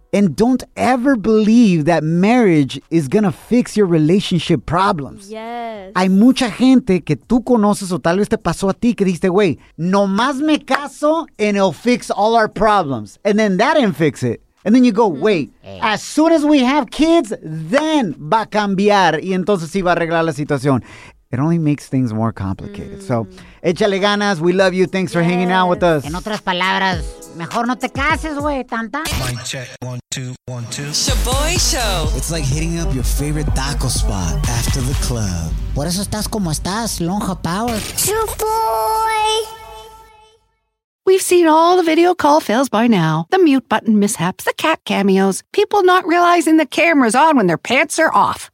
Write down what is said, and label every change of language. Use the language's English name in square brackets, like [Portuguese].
[English] And don't ever believe that marriage is going to fix your relationship problems. Yes. [Spanish] Hay mucha gente que tú conoces o tal vez te pasó a ti que dijiste, güey, nomás me caso and it'll fix all our problems. [English] And then that didn't fix it. And then you go, wait, as soon as we have kids, then va a cambiar. [Spanish] Y entonces sí va a arreglar la situación. [English] It only makes things more complicated. So, échale ganas. We love you. Thanks for hanging out with us. [Spanish] En otras palabras, mejor no te cases, güey, tanta. [English] Mic check. 1, 2, 1, 2. Shaboy Show. It's like hitting up your favorite taco spot after the club. [Spanish] Por eso estás como estás, Lonja Power. [English] Shaboy. We've seen all the video call fails by now. The mute button mishaps, the cat cameos, people not realizing the camera's on when their pants are off.